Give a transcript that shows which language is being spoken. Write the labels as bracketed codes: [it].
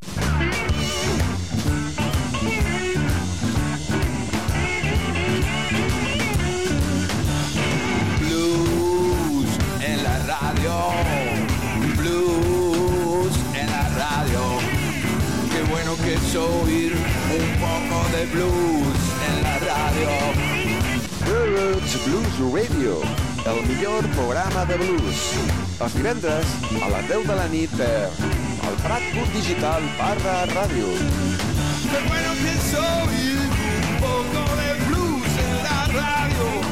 [es] Blues en la radio. Blues en la radio. Qué bueno que es oír un poco de blues en la radio. [ca] Roots Blues Radio, el millor programa de blues. Els divendres a les 10 de la nit per el Prat Punt Digital barra ràdio. [es] Qué bueno que soy un poco de blues en la radio.